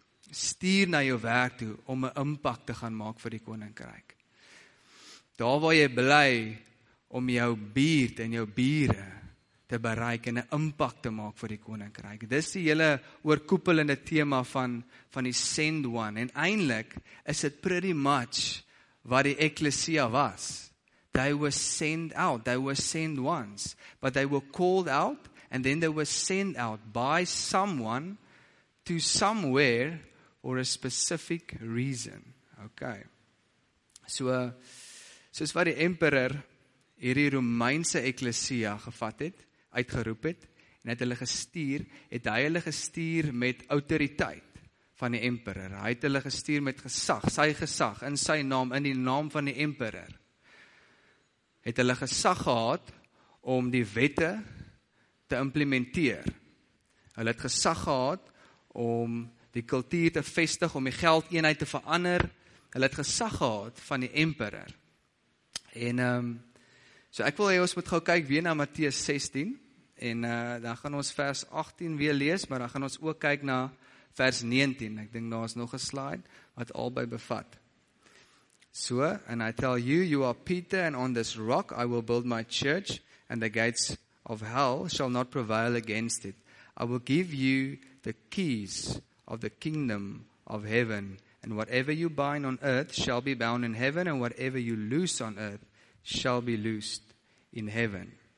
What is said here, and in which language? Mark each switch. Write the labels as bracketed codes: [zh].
[af] Stuur na jou werk toe om 'n impak te gaan maak vir die koninkryk. Daar waar jy bly om jou buurt en jou bure te bereik en 'n impak te maak vir die koninkryk. Dis die hele oorkoepelende tema van die send one. En eintlik is dit [en] pretty much [af] wat die ekklesia was. [en] They were sent out, they were sent ones, but they were called out and then they were sent out by someone to somewhere or a specific reason. [af] Okay. So, soos wat die emperor hierdie Romeinse ekklesia gevat het, uitgeroep het, en het hulle gestuur, het hy hulle gestuur met autoriteit van die emperor. Hy het hulle gestuur met gesag, sy gesag, in sy naam, in die naam van die emperor. Het hulle gesag gehad om die wette te implementeer. Hulle het gesag gehad om die kultuur te vestig, om die geld eenheid te verander. Hulle het gesag gehad van die emperor. En so ek wil hê ons moet gou kyk weer na Matteus 16 en dan gaan ons vers 18 weer lees, maar dan gaan ons ook kyk na vers 19. Ek dink daar is nog 'n slide wat albei bevat. [en] So, and I tell you, you are Peter, and on this rock I will build my church, and the gates of hell shall not prevail against it. I will give you the keys of the kingdom of heaven, and whatever you bind on earth shall be bound in heaven, and whatever you loose on earth shall be loosed in heaven.